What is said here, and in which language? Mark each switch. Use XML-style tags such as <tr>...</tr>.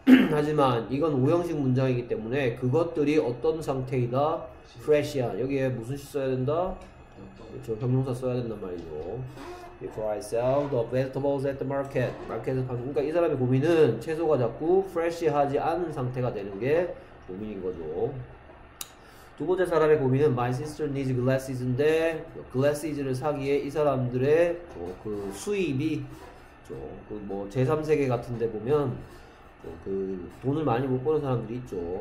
<ko>하지만 이건 오형식 문장이기 때문에 그것들이 어떤 상태이다?</ko> <en>fresh야.</en> <ko>여기에 무슨 시 써야 된다? 그렇죠. 형용사 써야 된단 말이죠.</ko> <en>Before I sell the vegetables at the market.</en> <ko>마켓에서 파는. 그러니까 이 사람의 고민은 채소가 자꾸 fresh하지 않은 상태가 되는 게 고민인 거죠. 두 번째 사람의 고민은</ko> <en>My sister needs glasses</en> <ko>인데 글래시즈를 사기에 이 사람들의 그 수입이 그뭐 제3세계 같은 데 보면 그 돈을 많이 못 버는 사람들이 있죠.</ko>